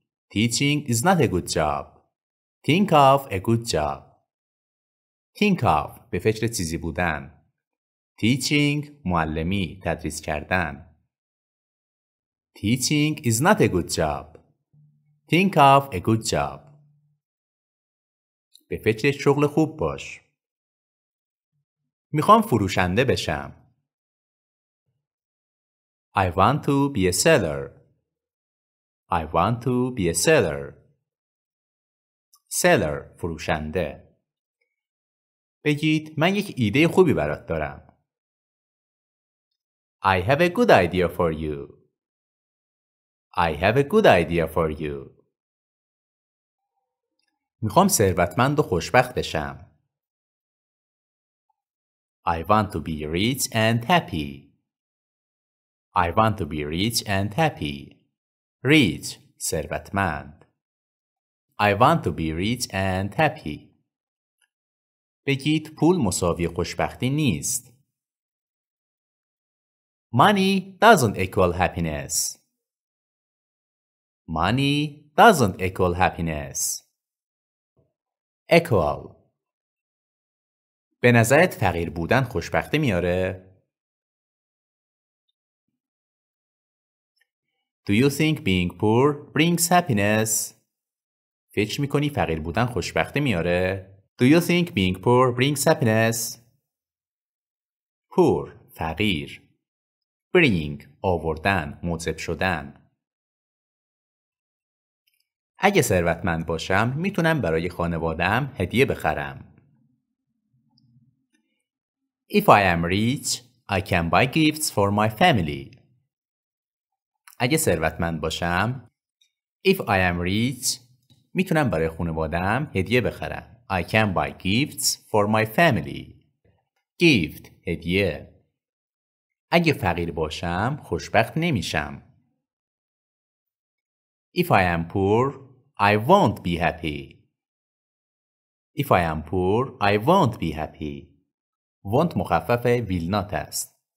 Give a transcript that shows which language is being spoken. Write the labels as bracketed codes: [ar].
[en] Teaching is not a good job. Think of a good job. [fa] Think of به فکر چیزی بودن. Teaching معلمی تدریس کردن. [en] Teaching is not a good job. Think of a good job. [fa] به فکر شغل خوب باش. میخوام فروشنده بشم. [en] I want to be a seller. I want to be a seller. Seller فروشنده. [fa] بگید من یک ایده خوبی برات دارم. [en] I have a good idea for you. I have a good idea for you. [fa] میخوام ثروتمند و خوشبخت بشم. [en] I want to be rich and happy. I want to be rich and happy. Rich ثروتمند. I want to be rich and happy. [fa] بگید پول مساوی خوشبختی نیست. [en] Money doesn't equal happiness. Money doesn't equal happiness. Equal. [fa] به نظرت فقیر بودن خوشبختی میاره؟ [en] Do you think being poor brings happiness? [fa] فکر میکنی فقیر بودن خوشبختی میاره؟ [en] Do you think being poor brings happiness? Poor فقیر. [fa] Bring آوردن، موجب شدن. اگه ثروتمند باشم میتونم برای خانواده‌ام هدیه بخرم. [en] If I am rich, I can buy gifts for my family. [fa] اگه ثروتمند باشم [en] If I am rich [fa] میتونم برای خانواده‌ام هدیه بخرم. [en] I can buy gifts for my family. Gift هدیه. [fa] اگه فقیر باشم خوشبخت نمیشم. [en] If I am poor I won't be happy. If I am poor, I won't be happy. [fa] Won't مخفف will not است.